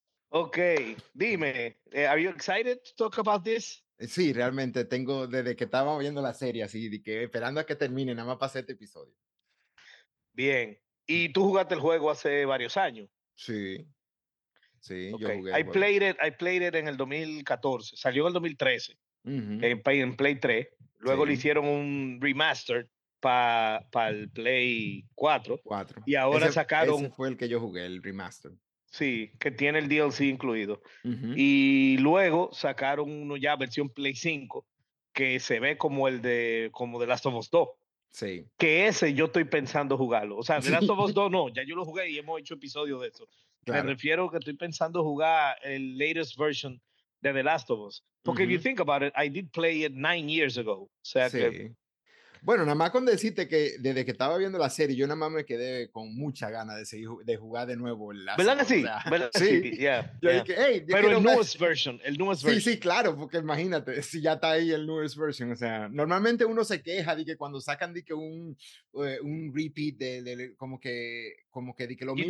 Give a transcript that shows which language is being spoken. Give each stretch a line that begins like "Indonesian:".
English: Ok, dime, are you excited to talk about this?
Spanish: Sí, realmente, tengo, desde que estaba viendo la serie, así, de que esperando a que termine, nada más pasé este episodio. Bien, y tú jugaste el juego hace varios años. Sí, okay. Yo jugué.
English: I played it
Spanish: en el 2014, salió en el 2013, uh-huh. En Play 3, luego sí. Le hicieron un remaster para el Play 4. Y ahora sacaron... Ese fue el que yo jugué, el remaster. Sí, que tiene el DLC incluido. Uh-huh. Y luego sacaron uno ya versión Play 5 que se ve como el de The Last of Us 2. Sí. Que ese yo estoy pensando jugarlo. O sea, The Last of Us 2 no, ya yo lo jugué y hemos hecho episodios de eso. Claro. Me refiero que estoy pensando jugar el
English: latest version
Spanish: de The Last of Us. Porque
English: uh-huh. If you think about it, I did play it 9 years ago.
Spanish: O sea, sí. Que, bueno, nada más con decirte que desde que estaba viendo la serie, yo nada más me quedé con mucha ganas de seguir de jugar de nuevo el Last of Us. ¿Verdad que sí? Sí,
English: yeah. Dije, hey,
Spanish: pero el
English: newest version.
Spanish: Sí, claro, porque imagínate, si ya está ahí el
English: newest version.
Spanish: O sea, normalmente uno se queja de que cuando sacan de que un repeat de como que de que lo